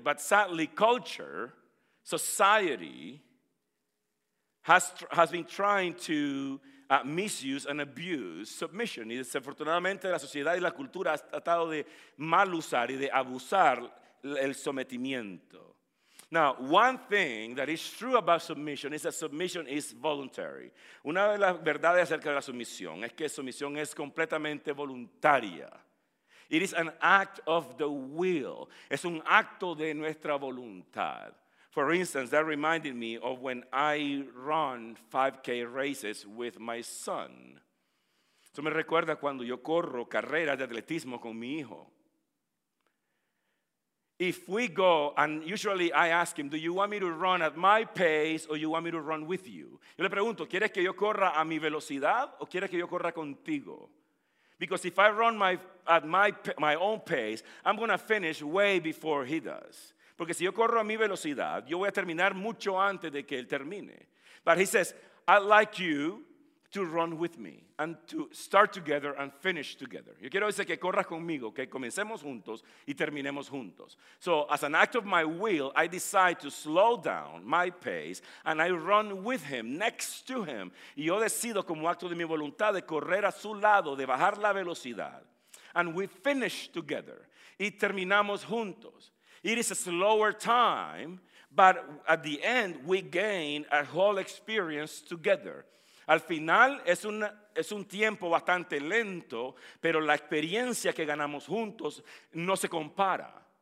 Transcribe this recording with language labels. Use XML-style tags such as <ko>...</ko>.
<en>But sadly, culture, society, has been trying to misuse and abuse submission.</en> <es>Y desafortunadamente la sociedad y la cultura ha tratado de mal usar y de abusar el sometimiento.</es> <en>Now, one thing that is true about submission is that submission is voluntary.</en> <es>Una de las verdades acerca de la sumisión es que sumisión es completamente voluntaria.</es> <en>It is an act of the will.</en> <es>Es un acto de nuestra voluntad.</es> <en>For instance, that reminded me of when I run 5K races with my son.</en> <es>Eso me recuerda cuando yo corro carreras de atletismo con mi hijo.</es> <en>If we go, and usually I ask him, do you want me to run at my pace or you want me to run with you?</en> <es>Yo le pregunto, ¿quieres que yo corra a mi velocidad o quieres que yo corra contigo?</es> <en>Because if I run at my own pace, I'm going to finish way before he does.</en> <es>Porque si yo corro a mi velocidad, yo voy a terminar mucho antes de que él termine.</es> <en>But he says, I'd like you to run with me and to start together and finish together.</en> <es>Yo quiero decir que corras conmigo, que comencemos juntos y terminemos juntos.</es> <en>So as an act of my will, I decide to slow down my pace and I run with him, next to him.</en> <es>Y yo decido como acto de mi voluntad de correr a su lado, de bajar la velocidad.</es> <en>And we finish together.</en> <es>Y terminamos juntos.</es> <en>It is a slower time, but at the end we gain a whole experience together.</en> <es>Al final es un tiempo bastante lento, pero la experiencia que ganamos juntos no se compara.</es>